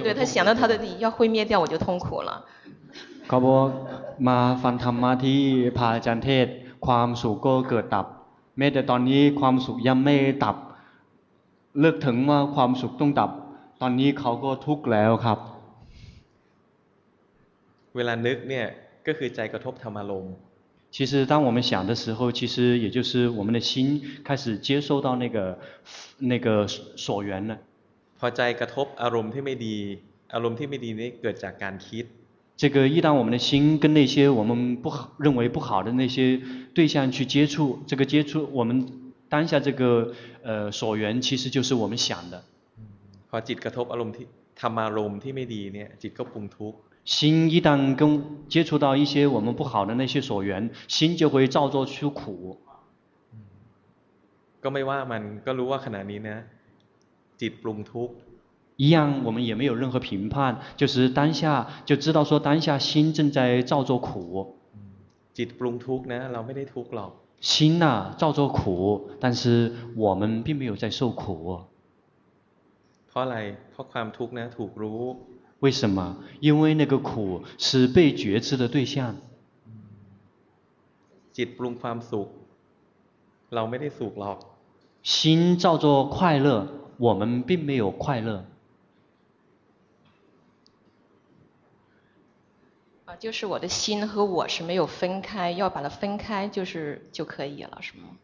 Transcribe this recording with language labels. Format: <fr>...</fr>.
<zh>对，它想到它的你要会灭掉，我就痛苦了。</zh> <th>เขาบอกมาฟังธรรมะที่พระอาจารย์เทศความสุขก็เกิดดับแม้แต่ตอนนี้ความสุขยังไม่ดับเลิกถึงว่าความสุขต้องดับตอนนี้เขาก็ทุกข์แล้วครับ เวลานึกเนี่ยก็คือใจกระทบธรรมารมณ์</th> <zh>其实当我们想的时候其实也就是我们的心开始接受到那个所缘了</zh> <th>พอใจกระทบอารมณ์ที่ไม่ดีอารมณ์ที่ไม่ดีนี้เกิดจากการคิด</th> <zh>这个一旦我们的心跟那些我们不好认为不好的那些对象去接触，这个接触我们当下这个所缘其实就是我们想的。</zh> <th>พอจิตกระทบอารมณ์ที่ ธรรมารมณ์ที่ไม่ดีเนี่ยจิตก็ปรุงทุกข์</th> <zh>心一旦跟接触到一些我们不好的那些所缘心就会造作出苦</zh> <th>ก็ไม่ว่ามันก็รู้ว่าขณะนี้นะจิตปรุงทุกข์</th> <zh>一样我们也没有任何评判就是当下就知道说当下心正在造作苦</zh> <th>จิตปรุงทุกข์นะเราไม่ได้ทุกข์หรอก</th> <zh>心呐、啊、造作苦但是我们并没有在受苦</zh> <th>เพราะอะไรเพราะความทุกข์นะถูกรู้</th> <zh>为什么因为那个苦是被觉知的对象</zh> <th>จิตปรุงความสุขเราไม่ได้สุขหรอก</th> <zh>心造作快乐我们并没有快乐就是我的心和我是没有分开要把它分开就是就可以了是吗</zh>